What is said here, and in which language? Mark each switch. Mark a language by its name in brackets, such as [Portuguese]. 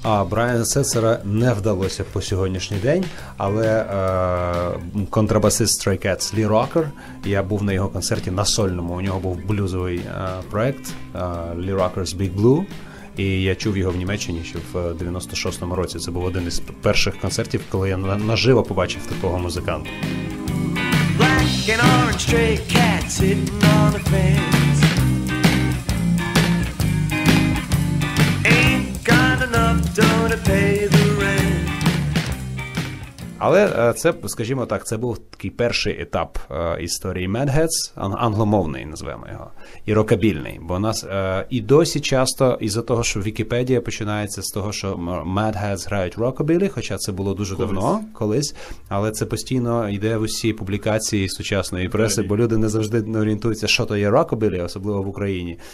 [Ukrainian] Брайана Сетцера не вдалося по сьогоднішній день, але контрабасист Stray Cats Лі Рокер, я був на його концерті на сольному, у нього був блюзовий проект Лі Рокерс Біг Блу, і я чув його в Німеччині ще в 96-му році. Це був один із перших концертів, коли я наживо побачив такого музиканта. [English] Black and orange stray cats sitting on a fence. Ain't got enough dough to pay the rent. [Ukrainian] Але це, скажімо так, це був такий перший етап історії Madheads, англомовний, називаємо його, і рокабільний. Бо у нас і досі часто, із-за того, що Вікіпедія починається з того, що Madheads грають рокабілі, хоча це було дуже давно, колись, але це постійно йде в усі публікації сучасної преси, бо люди не завжди не орієнтуються, що то є рокабілі, особливо в Україні.